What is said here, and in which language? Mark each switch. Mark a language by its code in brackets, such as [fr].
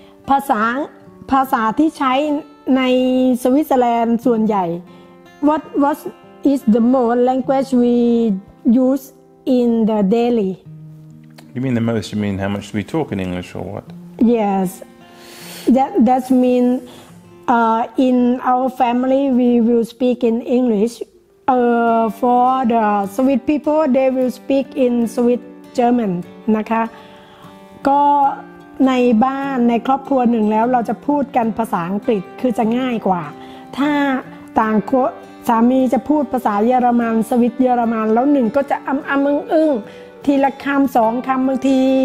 [th] ภาษาที่ใช้ในสวิตเซอร์แลนด์ส่วนใหญ่ [en] what is the most language we use in the daily you mean the most you mean how much we talk in English or what yes that mean in our family we will speak in English for the Swiss people they will speak in Swiss German [th] นะคะก็ในบ้านในครอบครัวหนึ่งแล้วเราจะพูดกันภาษาอังกฤษคือจะง่ายกว่าถ้าต่างสามีจะพูดภาษาเยอรมันสวิตเยอรมันแล้วหนึ่งก็จะอ้ำอ้งอึ้งทีละคำสองคำบางที